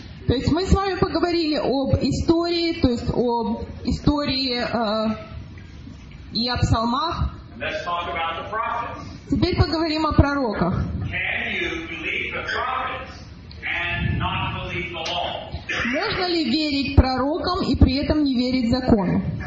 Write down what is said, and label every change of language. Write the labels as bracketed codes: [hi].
[ru] То есть мы с вами поговорили об истории, то есть об истории и о псалмах. [en] Let's talk about the prophets. [ru] Теперь поговорим о пророках. [en] Can you believe the prophets and not believe the law? [ru] Можно ли верить пророкам и при этом не верить закону?